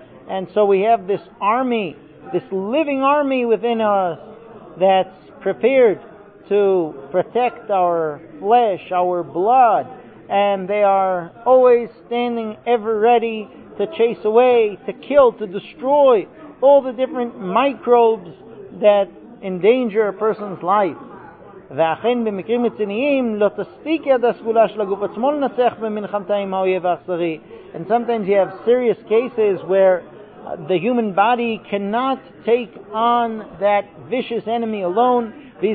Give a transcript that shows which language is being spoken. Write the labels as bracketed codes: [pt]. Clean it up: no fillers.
[en] And so we have this army, this living army within us that's prepared to protect our flesh, our blood, and they are always standing ever ready to chase away, to kill, to destroy all the different microbes that endanger a person's life. [he] ואכן במקרים מצניים לא תספיק יד הסגולה של הגוף עצמו לנצח במלחמתה עם האויב האכזרי, [en] And sometimes you have serious cases where the human body cannot take on that vicious enemy alone.